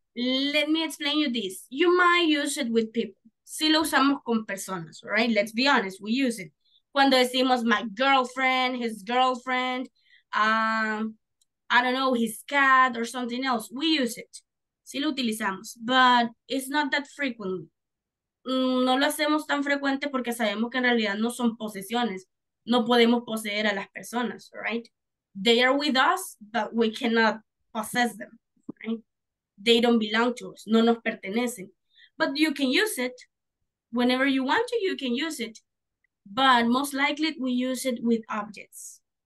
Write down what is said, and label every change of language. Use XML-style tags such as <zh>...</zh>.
<en>Let me explain you this. You might use it with people.</en> <es>Si lo usamos con personas,</es> <en>right? Let's be honest, we use it.</en> <es>Cuando decimos</es> <en>my girlfriend, his girlfriend, I don't know, his cat or something else, we use it.</en> <es>Si lo utilizamos,</es> <en>but it's not that frequently.</en> <es>No lo hacemos tan frecuente porque sabemos que en realidad no son posesiones. No podemos poseer a las personas, right?</es> <en>They are with us, but we cannot possess them, right? They don't belong to us,</en> <es>no nos pertenecen.</es> <en>But you can use it. Whenever you want to, you can use it. But most likely, we use it with objects.</en>